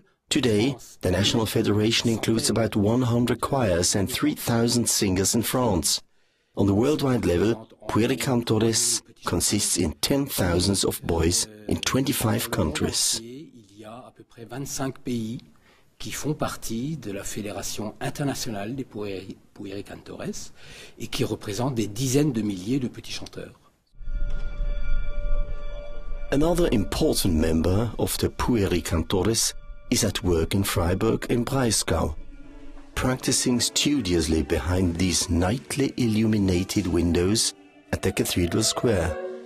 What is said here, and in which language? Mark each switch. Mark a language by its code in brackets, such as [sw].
[en] Today, the National Federation includes about 100 choirs and 3,000 singers in France. On the worldwide level, Pueri Cantores consists in 10,000 of boys in 25 countries. [fr] Près 25 pays qui font partie de la Fédération internationale des Pueri Cantores et qui représentent des dizaines de milliers de petits chanteurs. [en] Another important member of the Pueri Cantores is at work in Freiburg in Breisgau, practicing studiously behind these nightly illuminated windows at the Cathedral Square.